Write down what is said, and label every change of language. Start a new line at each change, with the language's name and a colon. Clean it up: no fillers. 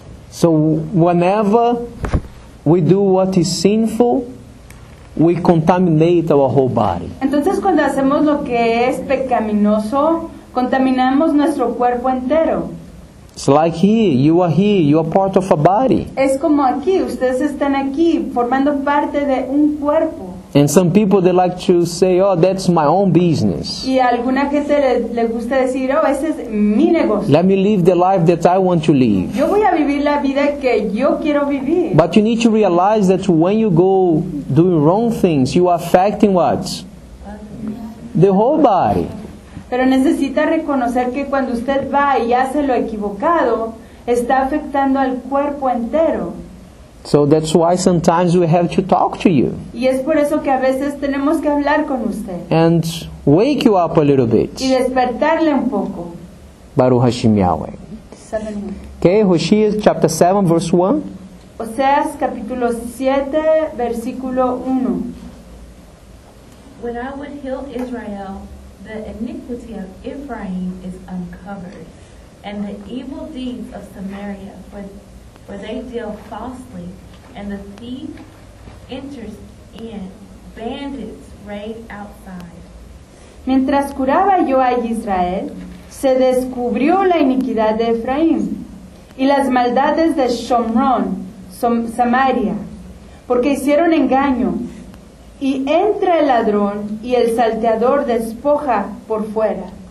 English: So whenever we do what is sinful, we contaminate our whole body.
Spanish: Entonces cuando hacemos lo que es pecaminoso, contaminamos nuestro cuerpo entero.
English: It's like here, you are part of a body.
Spanish: Es como aquí, ustedes están aquí formando parte de un cuerpo.
English: And some people they like to say, oh, that's my own business.
Spanish: Y alguna gente le gusta decir, oh, ese es mi negocio.
English: Let me live the life that I want to live.
Spanish: Yo voy a vivir la vida que yo quiero vivir.
English: But you need to realize that when you go doing wrong things, you are affecting what? The whole body.
Spanish: Pero necesita reconocer que cuando usted va y hace lo equivocado, está afectando al cuerpo entero.
English: So that's why sometimes we have to talk to you.
Spanish: Y es por eso que a veces tenemos que hablar con usted.
English: And wake you up a little bit.
Spanish: Y despertarle un poco.
Hebrew: Baruch Hashem Yahweh.
English: Okay, Hosea chapter 7 verse 1.
Spanish: Oseas capítulo 7 versículo 1.
English: When I would heal Israel, the iniquity of Ephraim is uncovered, and the evil deeds of Samaria, for they deal falsely, and the thief enters in, bandits raid outside.
Spanish: Mientras curaba yo a Israel, se descubrió la iniquidad de Efraín y las maldades de Shomron, Samaria, porque hicieron engaño, y entra el ladrón y el salteador despoja por fuera.